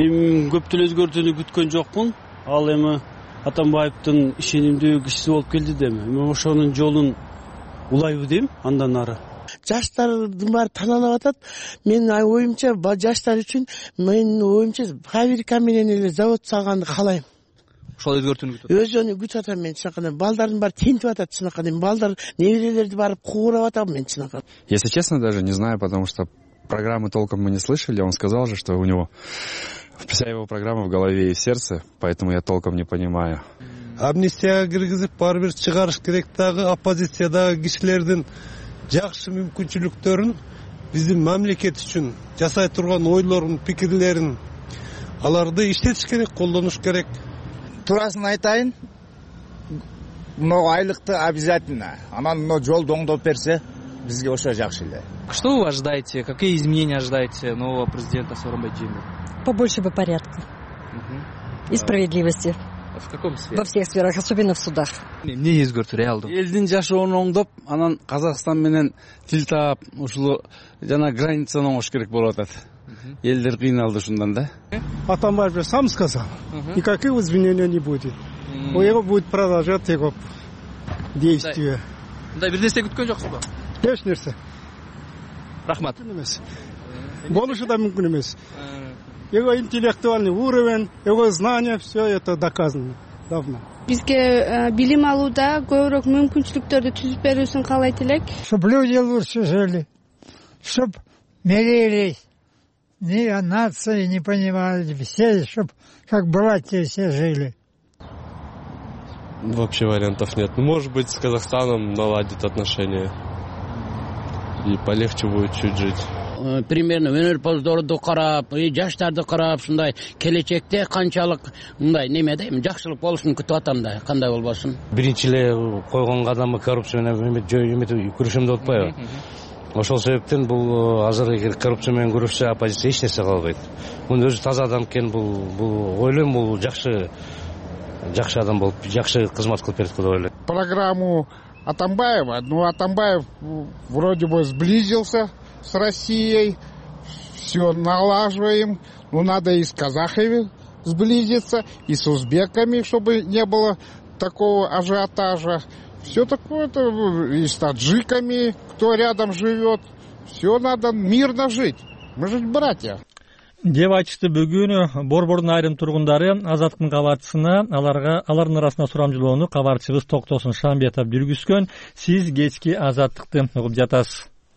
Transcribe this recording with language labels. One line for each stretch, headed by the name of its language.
Kyrgyz: Эми көп деле өзгөртүүнү күткөн жокмун. Ал эми Атамбаевдин ишенимдүү кишиси болуп келди да эми ошонун жолун улайбы дейм андан ары. Жаштардын баары таланып атат. Менин оюмча жаштар үчүн, менин оюмча фабрика менен эле завод салганды каалайм. Ошол өзгөртүүнү күтөм. Өзүнө күтүп атам мен чынакан. Балдардын баары тентип атат чынакан. Балдар, неберелерди барып куурап атам мен чынакан.
Russian: Если честно, даже не знаю, потому что программы толком мы не слышали. Он сказал же, что у него вся его программа в голове и в сердце, поэтому я толком не понимаю.
Kyrgyz: Амнистияга киргизип, баары бир чыгарыш керек дагы оппозициядагы кишилердин жакшы мүмкүнчүлүктөрүн биздин мамлекет үчүн жасай турган ойлорун, пикирлерин аларды иштетиш керек, колдонуш керек. Туурасын айтайын, мына айлыкты обязательно, анан мына жол доңдоп берсе бизге ошо жакшы эле.
Russian: Что вы ожидаете? Какие изменения ожидаете нового президента Сооронбай Жээнбеков? Побольше бы порядка. И справедливости. В каком сфере? Во всех сферах, особенно в судах.
Kyrgyz: Эмне өзгөртүү реалдуу? Элдин жашоон оңдоп, анан Казакстан менен тил таап, ушул жана границаны оңош керек болуп атат. Элдер кыйналды ушундан да.
Russian: Атамбаев сам сказал, никаких изменений не будет. У него будет продолжать его действия.
Kyrgyz: Мындай бир нерсе күткөн жоксуз ба? Эч нерсе. Рахмат. Болушу да мүмкүн эмес.
Russian: Его интеллектуальный уровень, его знания, все это доказано давно.
Kyrgyz: Бизге билим алууда көбүрөөк мүмкүнчүлүктөрдү түзүп берүүсүн каалайт элек.
Russian: Чтоб люди лучше жили, чтоб мирились. Ни нации не понимают, все, чтоб как братья все жили. Вообще вариантов нет. Может быть, с Казахстаном наладит отношения. И полегче будет чуть жить.
Kyrgyz: примерно өнөрпаздорду карап, жаштарды карап, ушундай келечекте канчалык мындай неме да, жакшылык болушун күтүп атам да, кандай болбосун. Биринчи эле койгон кадамы коррупция менен күрөшөм деп атпайбы? Ошол себептен бул азыр эгер коррупция менен күрөшсө оппозиция эч нерсе кылбайт. Мунун өзү таза адам экен, бул ойлойм, бул жакшы адам болуп, жакшы кызмат кылып берет деп ойлойм.
Russian: Программу Атамбаева, ну Атамбаев вроде бы сблизился с Россией, все налаживаем, но надо и с казахами сблизиться, и с узбеками, чтобы не было такого ажиотажа. Все такое-то, и с таджиками, кто рядом живет, все надо мирно жить, мы же братья.
Kyrgyz: Деп айтышты бүгүнү Борбордун айрым тургундары Азаткын кабарчысына, аларга алардын арасында сурамжылоону кабарчыбыз Токтосун Шамбетов жүргүзгөн. Сиз кечки Азаттыкты угуп жатасыз.